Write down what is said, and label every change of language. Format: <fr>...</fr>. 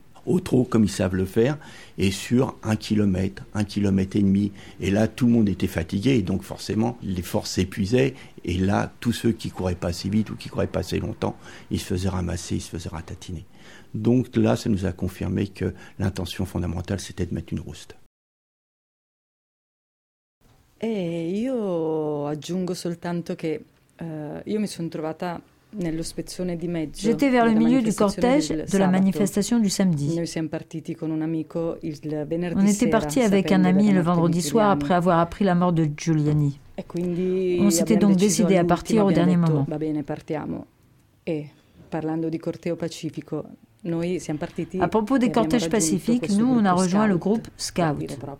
<fr>au trot comme ils savent le faire, et sur un kilomètre et demi. Et là, tout le monde était fatigué, et donc forcément, les forces s'épuisaient. Et là, tous ceux qui couraient pas assez vite ou qui couraient pas assez longtemps, ils se faisaient ramasser, ils se faisaient ratatiner. Donc là, ça nous a confirmé que l'intention fondamentale, c'était de mettre une rouste.</fr> <it>Et io aggiungo soltanto che io mi sono trovata nello spezzone di mezzo.</it> <fr>J'étais vers le milieu du cortège de la manifestation du samedi.</fr> <it>Noi siamo partiti con un amico il venerdì</it> <fr>sera. On était parti avec un ami le vendredi soir après avoir appris la mort de Giuliani.</fr> <it>E quindi</it> <fr>on s'était donc décidé à partir au dernier moment.</fr> <it>Va bene, partiamo. E parlando di corteo pacifico, noi siamo partiti.</it> <fr>À propos des cortèges pacifiques, nous on a rejoint le groupe Scout.</fr>